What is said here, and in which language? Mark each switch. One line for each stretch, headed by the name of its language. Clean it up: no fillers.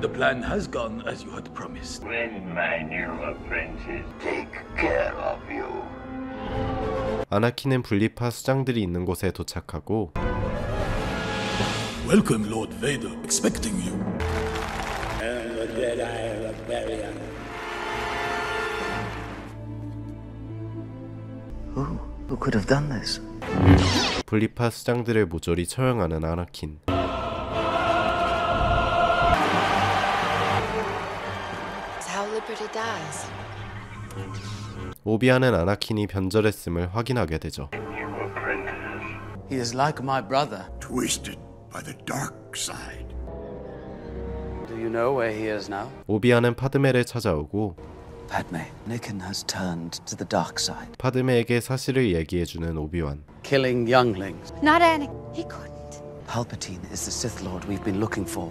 English: The plan has gone as you had promised. When my new apprentice take care of you.
Korean: 아나킨은 분리파 수장들이 있는 곳에 도착하고
English: Welcome Lord Vader, expecting you. And the Jedi Rebellion. Who could have done this?
Korean: 분리파 수장들을 모조리 처형하는 아나킨.
English: It's how liberty dies.
Korean: 오비아는 아나킨이 변절했음을 확인하게 되죠.
English: He is like my brother. Twisted by the dark side. Do you know where he is now?
Korean: 오비아는 파드메를 찾아오고
English: Padme, Anakin has turned to the dark side.
Korean: 파드메에게 사실을 얘기해 주는 오비완.
English: Killing younglings. Not Anakin. He couldn't. Palpatine is the Sith Lord we've been looking for.